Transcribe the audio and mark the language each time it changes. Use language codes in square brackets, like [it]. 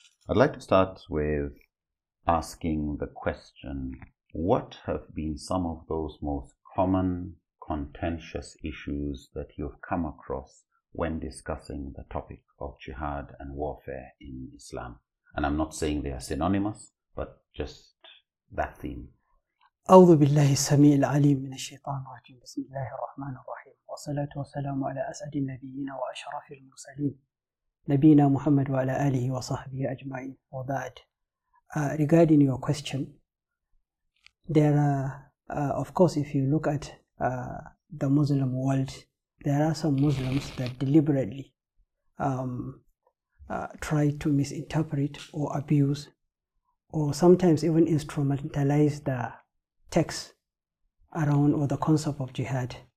[en] I'd like to start with asking the question, what have been some of those most common contentious issues that you've come across when discussing the topic of jihad and warfare in Islam? And I'm not saying they are synonymous, but just that theme. [ar] أعوذ بالله السميع العليم من الشيطان الرجيم بسم الله الرحمن الرحيم والصلاة والسلام على أسعد النبيين وأشرف المرسلين نبينا محمد وعلى آله وصحبه أجمعين وبعد. [en] Regarding your question, there are, of course, if you look at the Muslim world, there are some Muslims that deliberately try to misinterpret or abuse or sometimes even instrumentalize the text around or the concept of jihad.